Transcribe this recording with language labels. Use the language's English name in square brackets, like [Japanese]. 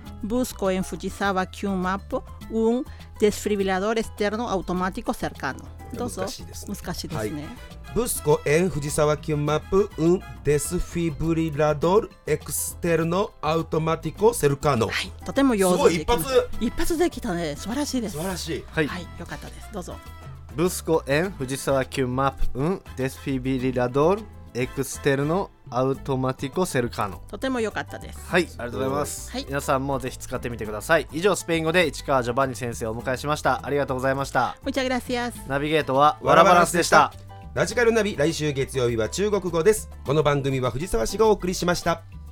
[Spanish] Busco en Fujisawa Kyun Map un desfibrilador externo automático cercano. [Japanese] どうぞ。難しいですね。難しいですね。 [Spanish] Busco en Fujisawa Kyun Map un desfibrilador externo automático cercano. [Japanese] はい、とても上手。すごい、一発。一発できたね。素晴らしいです。素晴らしい。はい。はい、よかったです。どうぞ。 [Spanish] Busco en Fujisawa Kyun Map un desfibrilador externoアウトマティコセルカノ、 [Japanese] とても良かったです。はい、ありがとうございます。はい、皆さんもぜひ使ってみてください。以上、スペイン語で市川ジョバンニ先生をお迎えしました。ありがとうございました。 [Spanish] Muchas gracias。 [Japanese] ナビゲートはワラバランスでした。ラジカルナビ、来週月曜日は中国語です。この番組は藤沢市がお送りしました。